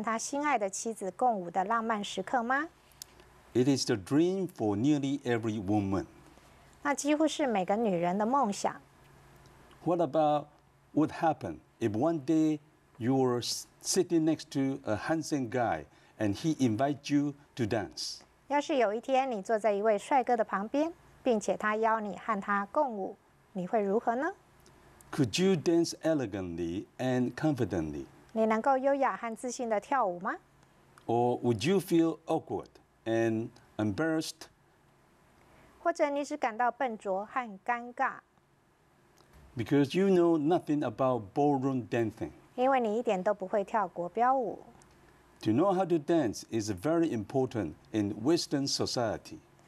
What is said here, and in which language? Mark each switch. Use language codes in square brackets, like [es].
[zh] 你还记得美国总统奥巴马在他就职舞会中和他心爱的妻子共舞的浪漫时刻吗？ [en] It is the dream for nearly every woman. [zh] 那几乎是每个女人的梦想。 [en] What about what happened if one day you were sitting next to a handsome guy and he invites you to dance? [zh] 要是有一天你坐在一位帅哥的旁边，并且他邀你和他共舞，你会如何呢？ [en] Could you dance elegantly and confidently? [zh] 你能够优雅和自信地跳舞吗？ [en] Or would you feel awkward and embarrassed? [zh] 或者你只感到笨拙和尴尬？ [en] Because you know nothing about ballroom dancing. [zh] 因为你一点都不会跳国标舞。 [en] To know how to dance is very important in Western society.